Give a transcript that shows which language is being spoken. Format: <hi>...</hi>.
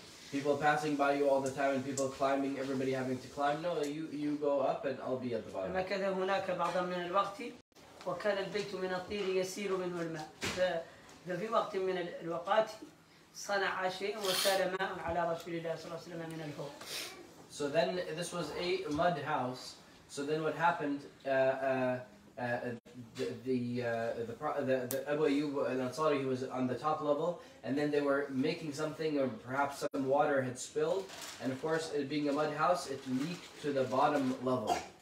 <en>People passing by you all the time and people climbing, everybody having to climb. No, you go up and I'll be at the bottom.</en> <ar>مكث هناك بعضا من الوقت وكان البيت من الطين يسير منه الماء. ففي وقت من الوقات صنع شيء وسال ماء على رسول الله صلى الله عليه وسلم من الفوق.</ar> <en>So then this was a mud house. So then what happened? The Abu Ayyub al-Ansari, he was on the top level, and then they were making something, or perhaps some water had spilled, and of course, it being a mud house, it leaked to the bottom level.</en>